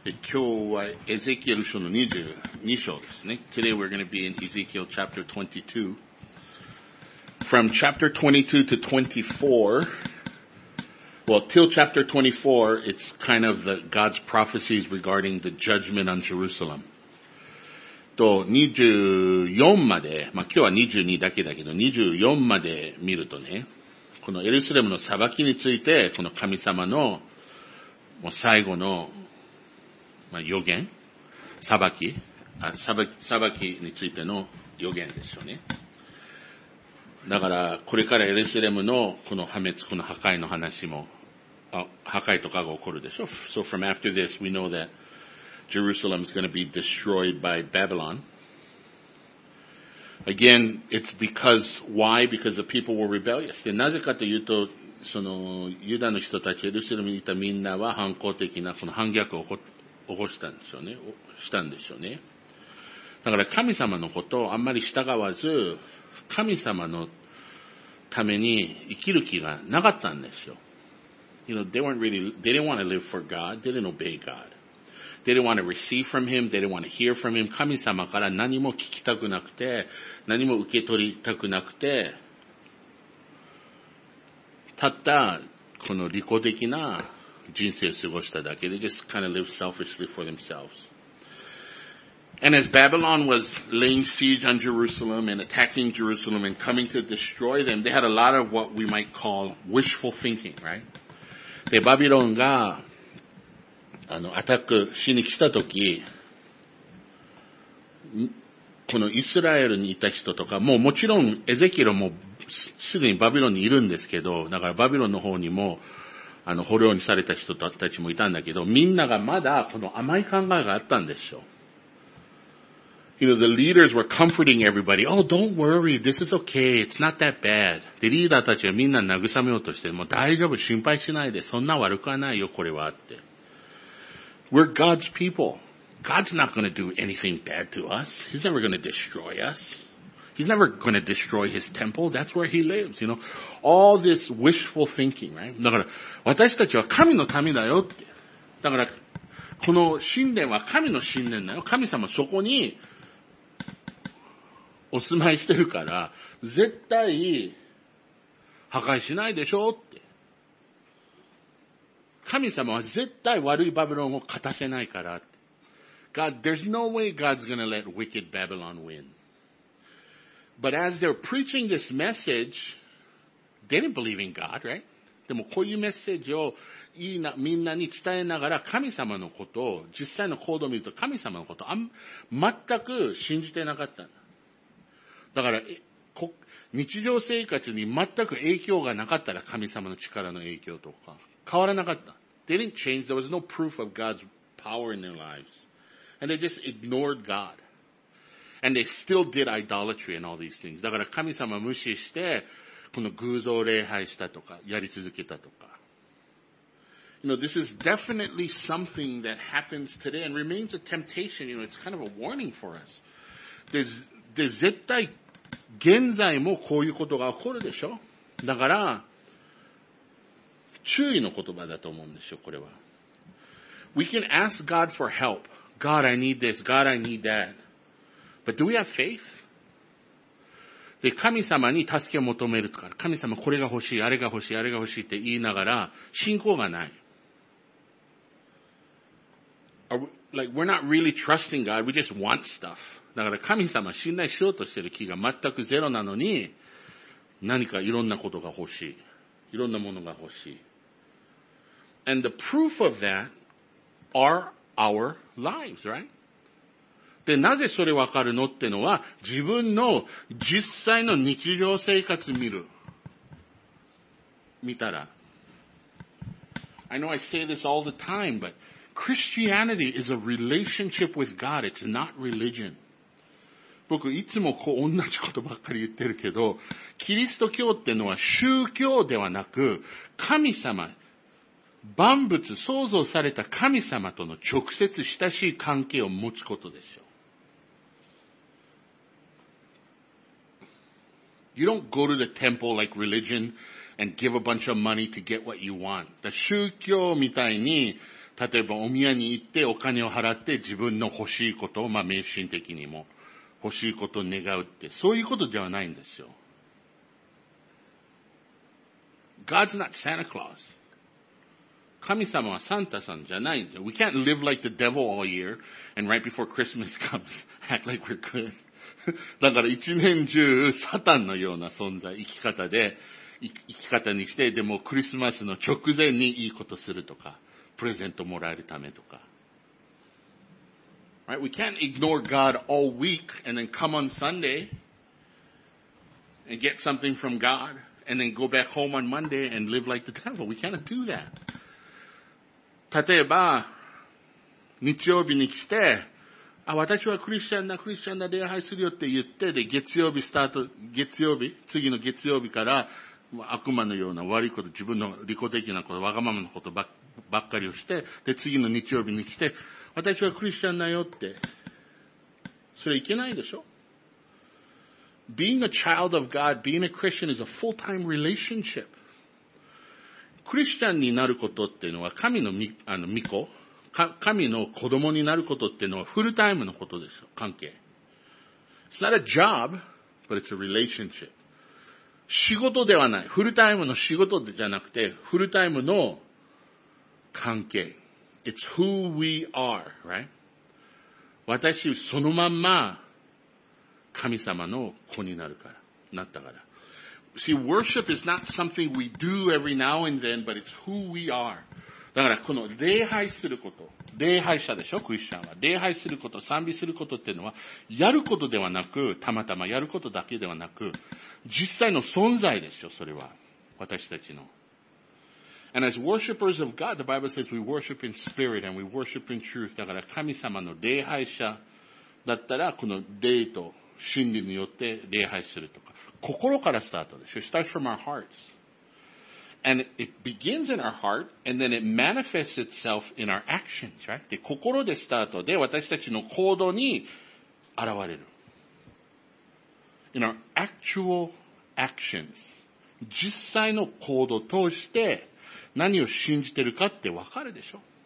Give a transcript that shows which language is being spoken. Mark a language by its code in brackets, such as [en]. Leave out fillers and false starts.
[ja] 今日はエゼキエル書の22章ですね。 [en] Today we're going to be in Ezekiel chapter 22. From chapter 22 to 24, well, till chapter 24, it's kind of God's prophecies regarding the judgment on Jerusalem. [ja] と24まで、まあ、今日は22だけど、24まで見るとね、このエルサレムの裁きについて、この神様のもう最後の、まあ、予言、裁きについての予言ですよね。だから、これからエルサレムのこの破滅、この破壊の話も、破壊とかが起こるでしょう。 [en] So from after this, we know that Jerusalem is going to be destroyed by Babylon. Again, it's because, why? Because the people were rebellious. [ja] で、なぜかというと、その、ユダの人たち、エルサレムにいたみんなは反抗的な、その反逆を起こしたんですよね。したんですよね。だから神様のことをあんまり従わず、神様のために生きる気がなかったんですよ。 [en] You know, they didn't want to live for God. They didn't obey God. They didn't want to receive from Him. They didn't want to hear from Him. [ja] 神様から何も聞きたくなくて、何も受け取りたくなくて、たったこの利己的な人生を過ごしただけ。 [en] They just kind of lived selfishly for themselves. And as Babylon was laying siege on Jerusalem and attacking Jerusalem and coming to destroy them, they had a lot of what we might call wishful thinking, right? [ja] で、バビロンが、アタックしに来たとき、このイスラエルにいた人とか、もうもちろんエゼキエルもすぐにバビロンにいるんですけど、だからバビロンの方にも、捕虜にされた人たちもいたんだけど、みんながまだこの甘い考えがあったんでしょう。 [en] You know, the leaders were comforting everybody. Oh, don't worry. This is okay. It's not that bad. [ja] で、リーダーたちはみんな慰めようとして、もう大丈夫。心配しないで。そんな悪くはないよ、これはって。 [en] We're God's people. God's not going to do anything bad to us. He's never going to destroy us. He's never going to destroy His temple. That's where He lives. You know, all this wishful thinking, right? [ja] だから、私たちは神の民だよって。だから、この神殿は神の神殿だよ。神様そこにお住まいしてるから、絶対破壊しないでしょって。神様は絶対悪いバビロンを勝たせないからって。 [en] God, there's no way God's going to let wicked Babylon win. But as they're preaching this message, they didn't believe in God, right? [ja] でもこういうメッセージをいいな、みんなに伝えながら神様のことを、実際の行動を見ると神様のことを全く信じてなかった。だから、日常生活に全く影響がなかったら神様の力の影響とか。変わらなかった。 [en] They didn't change. There was no proof of God's power in their lives. And they just ignored God. And they still did idolatry and all these things. [ja] だから神様無視して、この偶像礼拝したとか、やり続けたとか。 [en] You know, this is definitely something that happens today and remains a temptation. You know, it's kind of a warning for us. [ja] で、絶対、現在もこういうことが起こるでしょ。だから、注意の言葉だと思うんですよ、これは。 [en] We can ask God for help. God, I need this. God, I need that. But do we have faith? [ja] で、神様に助けを求めるとか、神様これが欲しい、あれが欲しい、あれが欲しいって言いながら、信仰がない。 [en] We're not really trusting God. We just want stuff. [ja] だから神様信頼しようとしてる気が全くゼロなのに、何かいろんなことが欲しい。いろんなものが欲しい。 [en] And the proof of that are our lives, right? [ja] で、なぜそれわかるのってのは、自分の実際の日常生活見たら。 [en] I know I say this all the time, but Christianity is a relationship with God. It's not religion. [ja] 僕、いつもこう、同じことばっかり言ってるけど、キリスト教ってのは宗教ではなく、神様、万物創造された神様との直接親しい関係を持つことでしょう。 [en] You don't go to the temple like religion. and give a bunch of money to get what you want. [ja] だ宗教みたいに、例えばお宮に行ってお金を払って自分の欲しいことを、まあ迷信的にも、欲しいことを願うって、そういうことではないんですよ。 [en] God's not Santa Claus. [ja] 神様はサンタさんじゃない。 [en] We can't live like the devil all year and right before Christmas comes act like we're good. [ja] だから一年中サタンのような存在、生き方で、生き方にして、でもクリスマスの直前にいいことするとか、プレゼントもらえるためとか。 [en] Right? We can't ignore God all week and then come on Sunday and get something from God. And then go back home on Monday and live like the devil. We cannot do that. [ja] 例えば、日曜日に来て、あ、私はクリスチャンだ、礼拝するよって言って、で、次の月曜日から、悪魔のような悪いこと、自分の利己的なこと、わがままのことばっかりをして、で、次の日曜日に来て、私はクリスチャンだよって、それいけないでしょ? [en] Being a child of God, being a Christian is a full-time relationship. [ja] クリスチャンになることっていうのは神の御子、神の子供になることっていうのはフルタイムのことですよ、関係。 [en] It's not a job, but it's a relationship. [ja] 仕事ではない。フルタイムの仕事じゃなくて、フルタイムの関係。 [en] It's who we are, right? [ja] 私そのまんま、神様の子になるから、なったから。 [en] See, worship is not something we do every now and then, but it's who we are. [ja] だから、この礼拝すること、礼拝者でしょ、クリスチャンは。礼拝すること、賛美することっていうのは、やることではなく、たまたまやることだけではなく、実際の存在ですよ、それは。私たちの。 [en] And as worshipers of God, the Bible says we worship in spirit and we worship in truth. [ja] だから、神様の礼拝者だったら、この礼と、真理によって礼拝するとか。心からスタートでしょ。 [en] It starts from our hearts. And it begins in our heart, and then it manifests itself in our actions, right? [ja] で、心でスタートで私たちの行動に現れる。 [en] In our actual actions. [ja] 実際の行動を通して何を信じてるかってわかるでしょ。